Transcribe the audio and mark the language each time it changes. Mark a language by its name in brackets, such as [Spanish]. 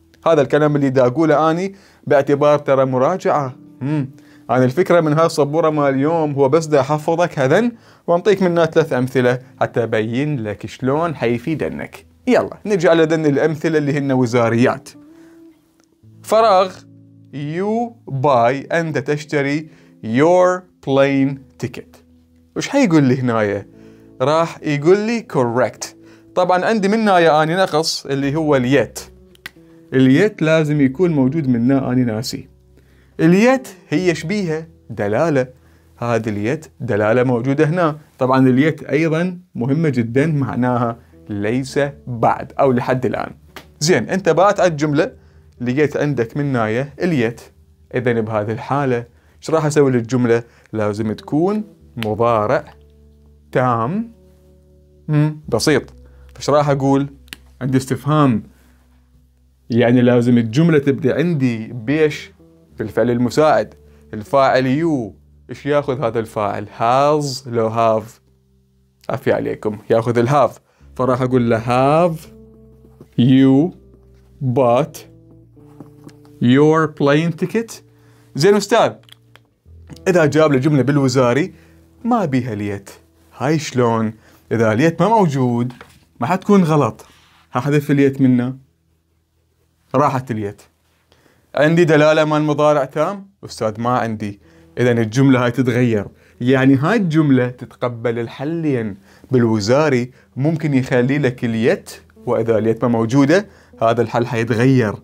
[Arabic] هذا الكلام اللي دا أقوله آني باعتبار ترى مراجعة عن الفكرة من هالصبورة ما اليوم، هو بس دا حفظك هذن وانطيك منها ثلاث أمثلة حتى أبين لك شلون حيفيدنك. يلا نجي على ذن الأمثلة اللي هن وزاريات. [English] فراغ you buy، [Arabic] أنت تشتري [English] your plane ticket. [Arabic] وش حيقول لي هنايا؟ راح يقول لي correct. طبعا عندي منايا آني نقص اللي هو اليت، اليت لازم يكون موجود منا آني ناسي. اليت هي شبيهة دلالة، هذه اليت دلالة موجودة هنا. طبعا اليت أيضا مهمة جدا، معناها ليس بعد أو لحد الآن. زين أنت بات على الجملة لقيت عندك منايا اليت، إذن بهذه الحالة ايش راح أسوي للجملة؟ لازم تكون مضارع تام بسيط. فش راح أقول؟ عندي استفهام، يعني لازم الجملة تبدأ عندي بيش؟ بالفعل المساعد، الفاعل يو. إيش يأخذ هذا الفاعل؟ has لو have، عفية عليكم، يأخذ ال have. فراح أقول له [English] have you bought your plane ticket. [Arabic] زين أستاذ إذا جاب لجملة بالوزاري ما بيها ليت، هاي شلون؟ إذا ليت ما موجود ما حتكون غلط، هحذف ليت منه، راحت ليت. عندي دلالة مال مضارع تام؟ أستاذ ما عندي، إذن الجملة هاي تتغير، يعني هاي الجملة تتقبل الحلين، بالوزاري ممكن يخلي لك اليت، وإذا اليت ما موجودة هذا الحل حيتغير.